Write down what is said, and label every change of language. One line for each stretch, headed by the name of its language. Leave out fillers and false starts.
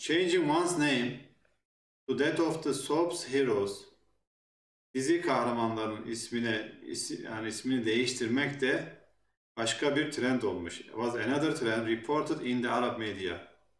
English: Changing one's name to that of the soaps heroes.
Turkish: Dizi kahramanlarının yani ismini değiştirmek de başka bir trend olmuş.
English: It was another trend reported in the Arab media.